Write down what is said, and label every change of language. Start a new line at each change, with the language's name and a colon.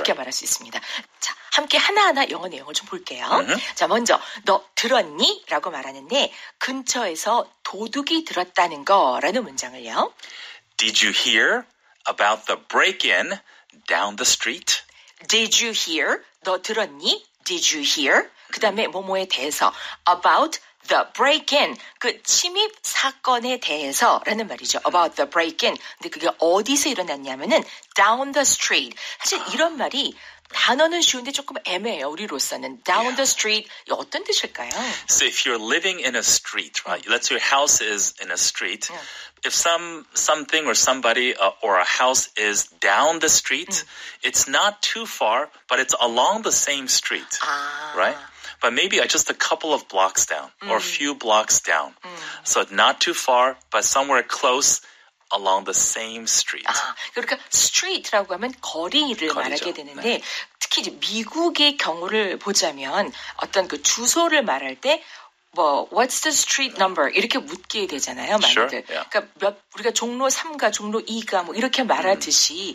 Korean: 이렇게 말할 수 있습니다. 자, 함께 하나하나 영어 내용을 좀 볼게요. Mm-hmm. 자, 먼저 너 들었니? 라고 말하는데 근처에서 도둑이 들었다는 거라는 문장을요.
English: Did you hear about the break-in down the street? Did you hear?
Korean: 너 들었니?
English: Did you hear?
Korean: 그 다음에 뭐뭐에 대해서
English: about the break-in,
Korean: 그 침입 사건에 대해서라는 말이죠.
English: About the break-in.
Korean: 근데 그게 어디서 일어났냐면은
English: down the street.
Korean: 사실 이런 말이 단어는 쉬운데 조금 애매해요. 우리로서는
English: down the street
Korean: 이 어떤 뜻일까요?
English: So if you're living in a street, right? Let's say your house is in a street. If something or somebody or a house is down the street, it's not too far, but it's along the same street, right? But maybe just a couple of blocks down or a few blocks down. So not too far, but somewhere close along the same street.
Korean: 아, 그러니까 street라고 하면 거리를 거리죠. 말하게 되는데 특히 이제 미국의 경우를 보자면 어떤 그 주소를 말할 때 뭐
English: what's the street number
Korean: 이렇게 묻게 되잖아요, 많이들.
English: Sure. Yeah.
Korean: 그러니까 몇 우리가 종로 3가, 종로 2가 뭐 이렇게 말하듯이